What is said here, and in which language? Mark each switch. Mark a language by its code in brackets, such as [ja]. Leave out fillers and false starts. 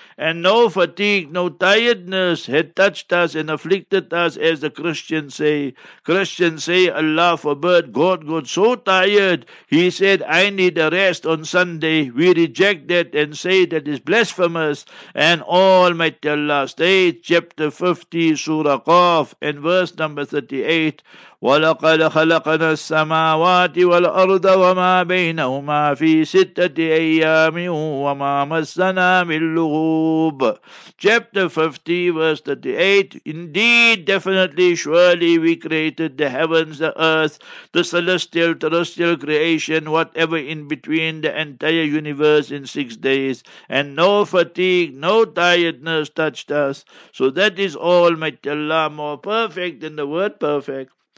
[en] And no fatigue, no tiredness had touched us and afflicted us, as the Christians say. Christians say, Allah forbid, God got so tired, He said, I need a rest on Sunday. We reject that and say that is blasphemous. And Almighty Allah states, chapter 50, Surah Qaf, and verse number 38, [ar] وَلَقَدْ خَلَقَنَا السَّمَاوَاتِ وَالْأَرْضَ وَمَا بَيْنَهُمَا فِي سِتَّةِ أَيَّامٍ وَمَا مَسَّنَا مِنْ لُغُوبٍ. [en] Chapter 50, verse 38. Indeed, definitely, surely, we created the heavens, the earth, the celestial, terrestrial creation, whatever in between, the entire universe in 6 days. And no fatigue, no tiredness touched us. So that is Almighty Allah, more perfect than the word perfect.